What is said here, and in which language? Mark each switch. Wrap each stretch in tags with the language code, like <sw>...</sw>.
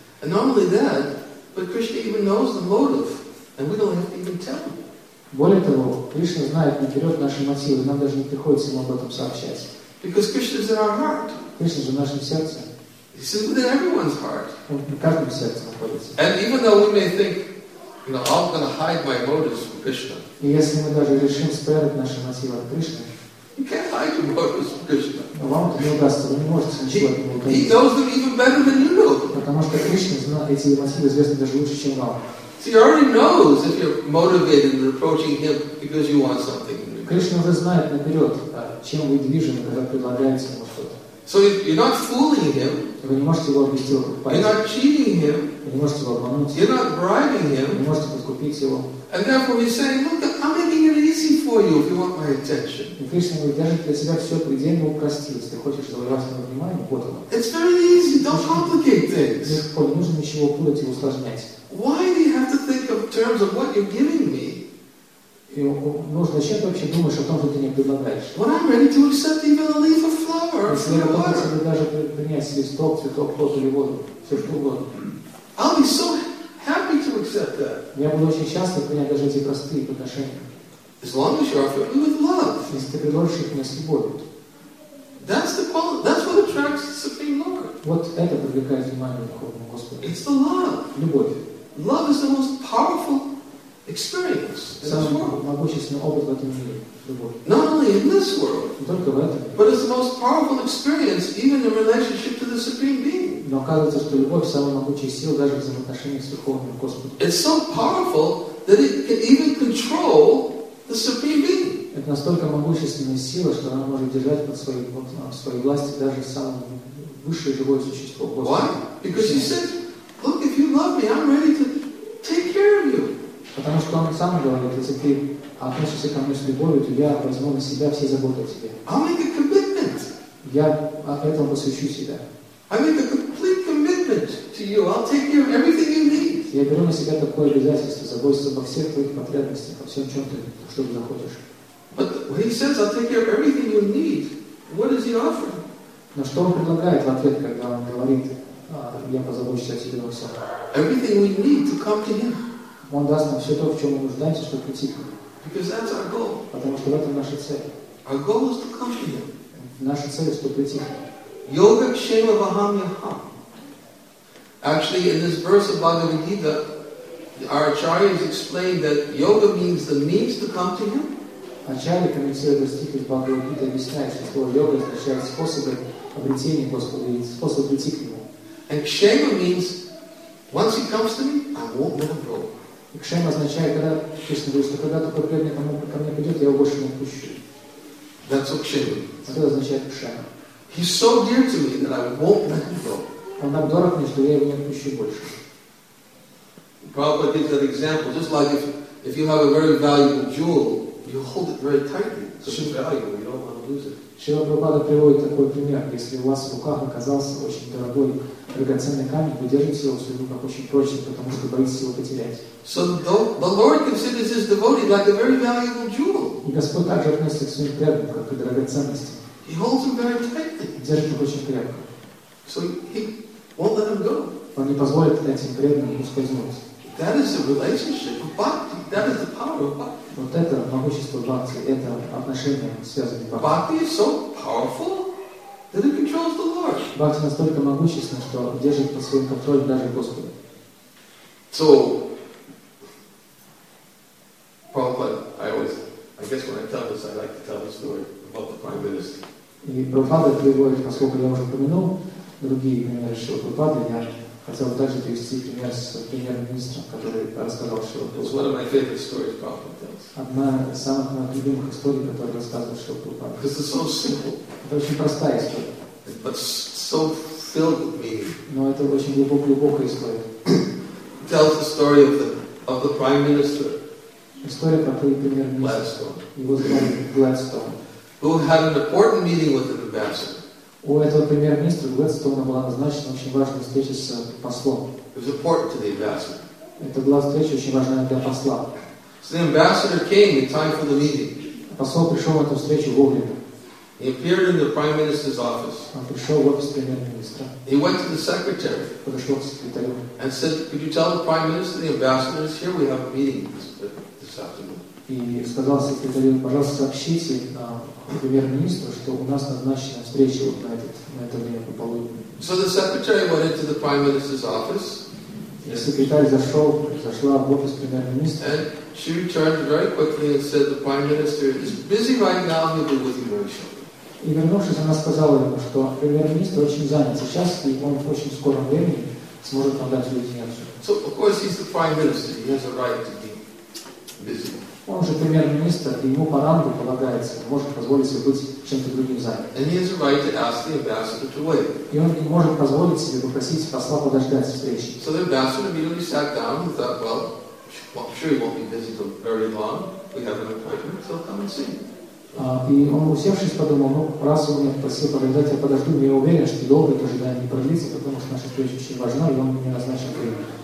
<en>And not only that, but Krishna even knows the motive, and we don't have to even tell him.</en> <ru>Более того, Кришна знает наперед наши мотивы, нам даже не приходится ему об этом сообщать.</ru> <en>Because Krishna is in our heart.</en> <ru>Кришна же в нашем сердце.</ru> <en>He's within everyone's heart.</en> <ru>Он в каждом сердце находится.</ru> <en>And even though we may think, you know, I'm going to hide my motives from Krishna.</en> <ru>И если мы даже решим спрятать наши мотивы от Кришны,</ru> <en>you can't hide your motives from Krishna.</en> <ru>Вам это не удастся, вы не можете ничего от него добиться.</ru> <en>He knows them even better than you know.</en> <ru>Потому что Кришна знает эти мотивы известны даже лучше, чем вам.</ru> <en>So he already knows if you're motivated and approaching him because you want something.</en> <ru>Кришна уже знает наперед, чем вы движены, когда предлагаете ему что-то.</ru> <en>So you're not fooling him.</en> <ru>Вы не можете его обвести в руку пальцем.</ru> <en>You're not cheating him.</en> <ru>Вы не можете его обмануть.</ru> <en>You're not bribing him.</en> <ru>Вы не можете подкупить его.</ru> <en>And therefore he's saying, look, I'm making it easy for you if you want my attention.</en> <ru>И Кришна говорит, я же для себя все предельно упростил. Если хочешь, чтобы я обратил внимание, вот оно.</ru> <en>It's very easy. Don't complicate things.</en> <ru>Легко. Не нужно ничего путать и усложнять.</ru> <en>Why do you have to think of terms of what you're giving me?</en> <ru>И нужно, зачем ты вообще думаешь о том, что ты мне предлагаешь?</ru> <en>When I'm ready to accept even a leaf of flower.</en> <ru>Если я готов себе даже принять листок, цветок, плод или воду, все что угодно.</ru> <en>I'll be so happy to accept that.</en> <ru>Я буду очень счастлив принять даже эти простые подношения.</ru> <en>As long as you offer me with love.</en> <ru>Если ты предложишь их мне с любовью.</ru> <en>That's what attracts. attracts the Supreme Lord.</en> <ru>Вот это привлекает внимание Верховного Господа.</ru> <en>It's the love.</en> <ru>Любовь.</ru> <en>Love is the most powerful experience in this world.</en> <ru>Самый могущественный опыт в этом мире. Любовь.</ru> <en>Not only in this world.</en> <ru>Не только в этом.</ru> <en>But it's the most powerful experience even in relationship to the Supreme Being.</en> <ru>Но оказывается, что любовь самая могучая сила даже в взаимоотношениях с Верховным Господом.</ru> <en>It's so powerful that it can even control the Supreme Being.</en> <ru>Это настолько могущественная сила, что она может держать под своей, вот, своей властью даже самое высшее живое существо. Господь.</ru> <en>Why? Because he said, look, if you love me, I'm ready to take care of you.</en> <ru>Потому что он сам говорит, если ты относишься ко мне с любовью, то я возьму на себя все заботы о тебе.</ru> <en>I'll make a commitment.</en> <ru>Я этому посвящу себя.</ru> <en>I make a complete commitment to you. I'll take care of everything you need.</en> <ru>Я беру на себя такое обязательство, заботиться обо всех твоих потребностях, обо всем, чем ты, что ты захочешь.</ru> <en>But when he says, "I'll take care of everything you need," what is he offering?</en> <ru>Но что он предлагает в ответ, когда он говорит, я позабочусь о тебе во всем?</ru> <en>Everything we need to come to him.</en> <ru>Он даст нам все то, в чем мы нуждаемся, чтобы прийти к нему.</ru> <en>Because that's our goal.</en> <ru>Потому что это наша цель.</ru> <en>Our goal is to come to him.</en> <ru>Наша цель – чтобы прийти к нему.</ru> <sa>Yoga kshema vaham yaham.</sa> <en>Actually, in this verse of Bhagavad Gita, our acharyas explain that yoga means the means to come to him.</en> <ru>Вначале комментируя этот стих из Бхагавад-гиты, объясняет, что слово йога означает способы обретения Господа и способ прийти к Нему.</ru> <en>And kshema means, once he comes to me, I won't let him go.</en> <ru>И кshema означает, когда, честно говоря, что когда только преданный ко мне придет, я его больше не отпущу.</ru> <en>That's what kshema means.</en> <ru>Это означает kshema.</ru> <en>He's so dear to me that I won't let him go.</en> <ru>Он так дорог мне, что я его не отпущу больше.</ru> <en>Prabhupada gives that example, just like if you have a very valuable jewel, you hold it very tightly. So it's valuable. You don't want to lose it.</en> <ru>Шрила Прабхупада приводит такой пример: если у вас в руках оказался очень дорогой драгоценный камень, вы держите его в своих руках очень прочно, потому что боитесь его потерять.</ru> <en>So the Lord considers his devotee like a very valuable jewel.</en> <ru>И Господь также относится к своим преданным как к драгоценности.</ru> <en>He holds them very tightly.</en> <ru>Держит их очень крепко.</ru> <en>So he won't let them go.</en> <ru>Он не позволит этим преданным ускользнуть.</ru> <en>That is the relationship of bhakti. That is the power of bhakti.</en> <ru>Вот это могущество бхакти, это отношение, связанное с бхакти.</ru> <en>Bhakti is so powerful that it controls the Lord.</en> <ru>Бхакти настолько могущественно, что держит под своим контролем даже Господа.</ru> <en>So, Prabhupada, I guess when I tell this, I like to tell the story about the Prime Minister.</en> <ru>И Прабхупада приводит, поскольку я уже упомянул, другие примеры Шрилы Прабхупады, я хотел также привести пример с премьер-министром, который рассказал Шрилу Прабхупаде.</ru> <en>It's one of my favorite stories, Prabhupada.</en> <ru>Одна из самых моих любимых историй, которую рассказывал Шрила Прабхупада.</ru> <en>Because it's so simple.</en> <ru>Это очень простая история.</ru> <en>But so filled with meaning.</en> <ru>Но это очень глубокая история.</ru> <en>It tells the story of the Prime Minister.</en> <ru>История про премьер-министра. Его звали Гладстон.</ru> <en>Who had an important meeting with an ambassador.</en> <ru>У этого премьер-министра Гладстона была назначена очень важная встреча с послом.</ru> <en>It was important to the ambassador.</en> <ru>Это была встреча очень важная для посла.</ru> <en>So the ambassador came in time for the meeting.</en> <ru>Посол пришел на эту встречу вовремя.</ru> <en>He appeared in the prime minister's office.</en> <ru>Он пришел в офис премьер-министра.</ru> <en>He went to the secretary.</en> <ru>Подошел к секретарю.</ru> <en>And said, "Could you tell the prime minister the ambassador is here? We have a meeting this afternoon."</en> <ru>И сказал секретарю, пожалуйста, сообщите премьер-министру, что у нас назначена встреча вот на это время пополудни.</ru> <en>So the secretary went into the prime minister's office.</en> <ru>И секретарь зашла в офис премьер-министра.</ru> <en>She returned very quickly and said, "The Prime Minister is busy right now. He'll be with you very shortly."</en> <ru>И вернувшись, она сказала ему, что премьер-министр очень занят сейчас, и он в очень скором времени сможет вам дать уединение.</ru> <en>So, of course, he's the Prime Minister. He has a right to be busy.</en> <ru>Он же премьер-министр, и ему по рангу полагается, может позволить себе быть чем-то другим занят.</ru> <en>And he has a right to ask the ambassador to wait.</en> <ru>И он не может позволить себе попросить посла подождать встречи.</ru> <en>So the ambassador immediately sat down and thought, "Well, well, I'm sure he won't be busy for very long. We have an appointment, so come and see."</en> <ru>И он, усевшись, подумал, ну, раз он меня попросил подождать, я подожду, но я уверен, что долго это ожидание не продлится, потому что наша встреча очень важна, и он мне назначил время.</ru>